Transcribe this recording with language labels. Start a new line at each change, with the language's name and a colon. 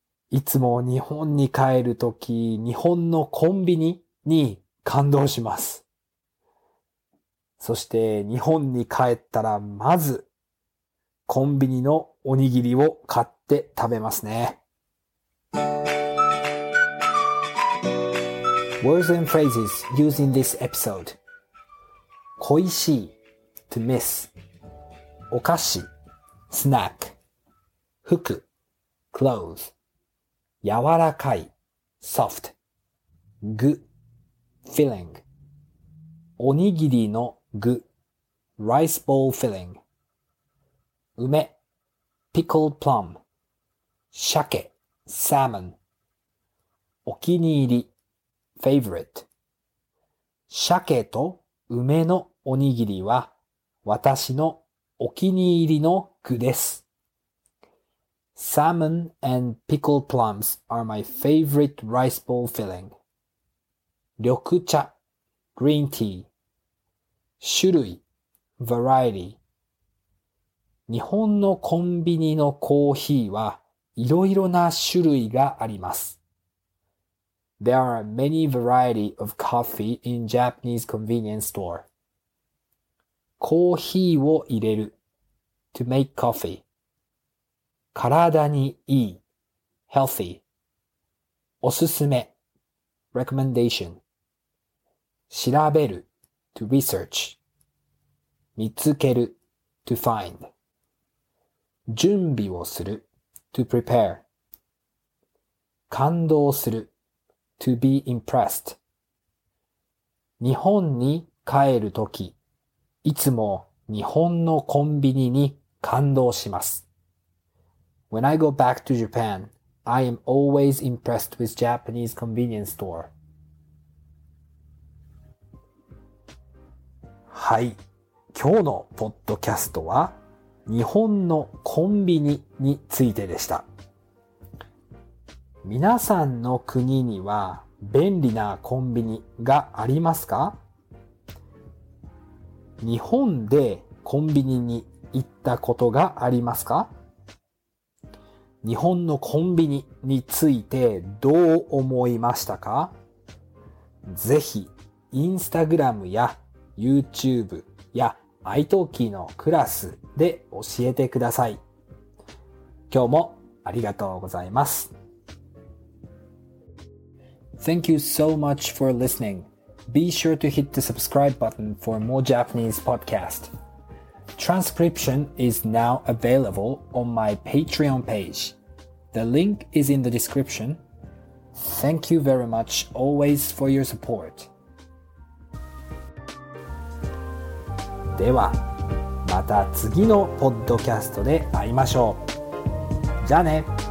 Japanese: いつも日本に帰るとき、日本のコンビニに感動します。そして日本に帰ったらまず、コンビニのおにぎりを買って食べますね。
English: Words and phrases used in this episode. 恋しい to miss. お菓子 snack. 服 clothes.
Japanese: 柔らかい
English: soft, good feeling,
Japanese: おにぎりの具
English: rice bowl filling,
Japanese: 梅
English: pickled plum,
Japanese: 鮭
English: salmon,
Japanese: お気に入り
English: favorite,
Japanese: 鮭と梅のおにぎりは私のお気に入りの具です。
English: Salmon and pickled plums are my favorite rice bowl filling. 緑茶 green tea. 種類 variety.
Japanese: 日本のコンビニのコーヒーはいろいろな種類があります。
English: There are many variety of coffee in Japanese convenience store. コーヒーを入れる to make coffee. 体にいい healthy おすすめ recommendation 調べる to research 見つける to find 準備をする to prepare 感動する to be impressed
Japanese: 日本に帰るときいつも日本のコンビニに感動します。
English: When I go back to Japan, I am always impressed with Japanese convenience store.
Japanese: はい。今日のポッドキャストは日本のコンビニについてでした。皆さんの国には便利なコンビニがありますか？日本でコンビニに行ったことがありますか？日本のコンビニについてどう思いましたか？ぜひ、インスタグラムや YouTube や italki のクラスで教えてください。今日もありがとうございます。
English: Thank you so much for listening. Be sure to hit the subscribe button for more Japanese podcast. Transcription is now available on my Patreon page. The link is in the description. Thank you very much always for your support.
Japanese: では、また次のポッドキャストで会いましょう。じゃあね。